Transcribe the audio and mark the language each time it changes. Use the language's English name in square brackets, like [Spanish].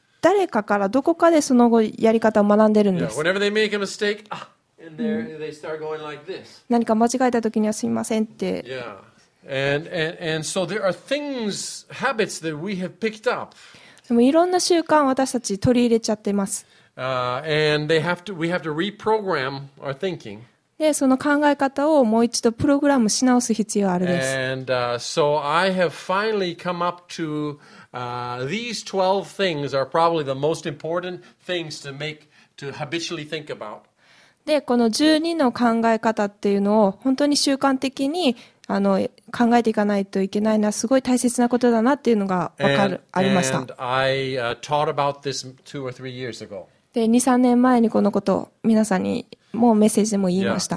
[Japanese] 誰かからどこかでその後やり方を学んでるんです。 Yeah. [English] They make a mistake, they start going like this. [Japanese] 何か間違えた時にはすみませんって。 Yeah. [English] And so there are things, habits that we have picked up. [Japanese] でもいろんな習慣を私たち取り入れちゃってます。 [English] And they have to, we have to reprogram our thinking. [Japanese] でその考え方をもう一度プログラムし直す必要があるです。 [English] And, so I have finally come up to, these 12 things are probably the most important things to make, to habitually think about. [Japanese] で、この12の考え方っていうのを本当に習慣的に考えていかないといけないのはすごい大切なことだなっていうのがありました。 [English] And I, taught about this 2 or 3 years ago. [Japanese] で、2、3年前にこのことを皆さんにもうメッセージでも言いました。